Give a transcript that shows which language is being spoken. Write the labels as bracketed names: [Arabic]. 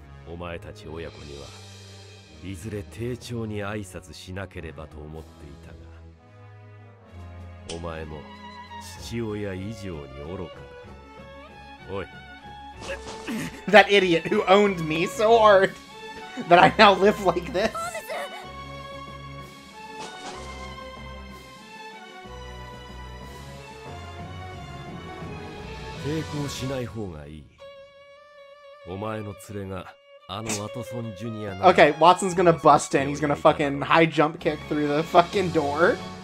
[Japanese] お前たち親子にはいずれ丁重に挨拶しなければと思っていたが、お前も父親以上に愚かだ。おい。 [English] That idiot who owned me so hard that I now live like this! [Japanese] 抵抗しない方がいい。お前の連れが [English] Okay, Watson's gonna bust in. He's gonna fucking high jump kick through the fucking door.